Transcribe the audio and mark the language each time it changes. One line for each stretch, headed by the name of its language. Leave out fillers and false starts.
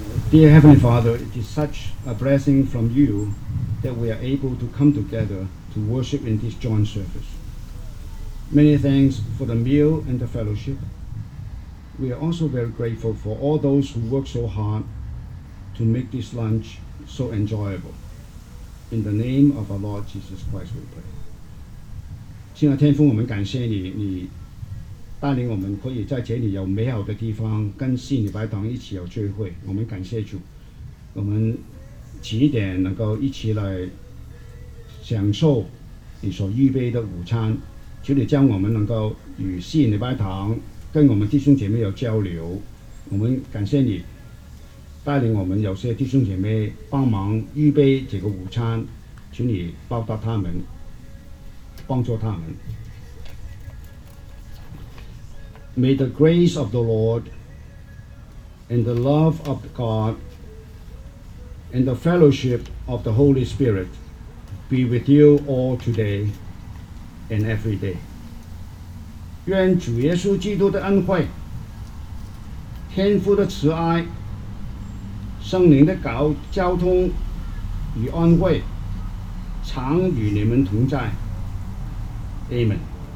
English: Dear Heavenly Father, it is such a blessing from you that we are able to come together to worship in this joint service. Many thanks for the meal and the fellowship. We are also very grateful for all those who work so hard to make this lunch so enjoyable. In the name of our Lord Jesus Christ, we pray.
Chinese: 亲爱的天父，我们感谢你，你带领我们可以在这里有美好的地方，跟新礼拜堂一起有聚会。我们感谢主，我们几点能够一起来享受你所预备的午餐？求你将我们能够与新礼拜堂跟我们弟兄姐妹有交流。我们感谢你。带领我们有些弟兄姐妹帮忙预备这个午餐，请你报答他们，帮助他们。
English: May the grace of the Lord and the love of God and the fellowship of the Holy Spirit be with you all today and every day.
Chinese: 愿主耶稣基督的恩惠、天父的慈爱、圣灵的交通与安慰常与你们同在。 Amen.